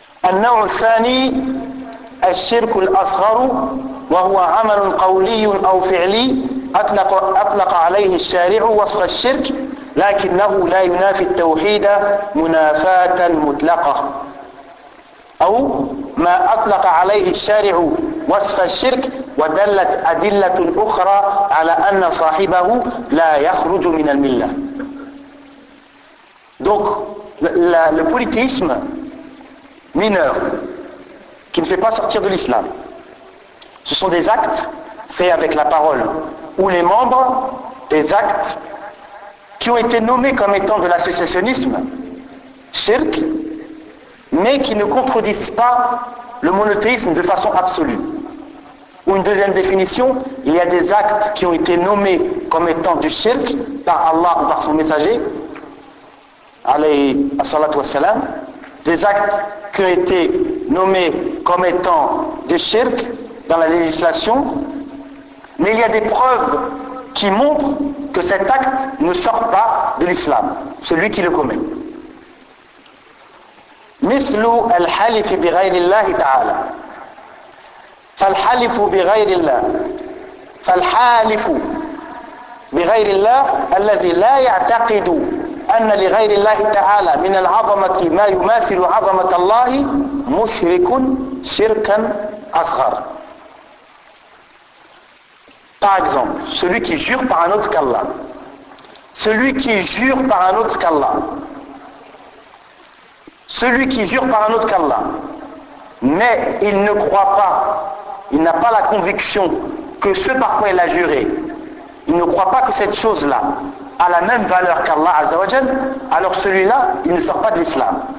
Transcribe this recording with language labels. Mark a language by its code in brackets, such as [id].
[ar] النوع الثاني الشرك الأصغر وهو عمل قولي أو فعلي أطلق عليه الشارع وصف الشرك لكنه لا ينافي التوحيد منافاة مطلقة أو ما أطلق عليه الشارع وصف الشرك ودلت أدلة أخرى على أن صاحبه لا يخرج من الملة. [fr] Donc le politisme mineur qui ne fait pas sortir de l'islam, ce sont des actes faits avec la parole ou les membres des actes qui ont été nommés comme étant de l'associationnisme shirk, mais qui ne contredisent pas le monothéisme de façon absolue. Ou une deuxième définition, il y a des actes qui ont été nommés comme étant du shirk par Allah ou par son messager [ar] alayhi assalatu wassalam, [fr] des actes qui ont été nommés comme étant des shirk dans la législation, mais il y a des preuves qui montrent que cet acte ne sort pas de l'islam, celui qui le commet. [ar] مثل الحلف بغير الله تعالى فالحلف بغير الله فالحالف بغير الله الذي لا يعتقد أن لغير الله تعالى من العظمة ما يماثل عظمة الله مشرك شركا أصغر. [fr] Par exemple, celui qui jure par un autre qu'Allah. Celui qui jure par un autre qu'Allah. Celui qui jure par un autre qu'Allah, mais il ne croit pas, il n'a pas la conviction que ce par quoi il a juré, il ne croit pas que cette chose-là a la même valeur qu'Allah [ar] Azza wa Jal, [fr] alors celui-là, il ne sort pas de l'islam.